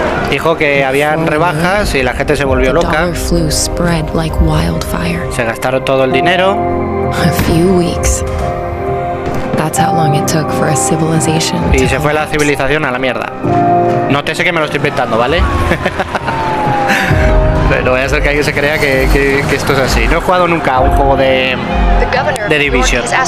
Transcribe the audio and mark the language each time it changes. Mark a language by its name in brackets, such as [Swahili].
[Spanish] Dijo que habían rebajas y la gente se volvió loca. [English] The dollar flu spread like wildfire. [Spanish] Se gastaron todo el dinero. [English] A few weeks. That's how long it took for a civilization. [Spanish] Y se fue la civilización a la mierda. Nótese que me lo estoy inventando, ¿vale? Pero voy a hacer que alguien se crea que esto es así. No he jugado nunca a un juego de Division.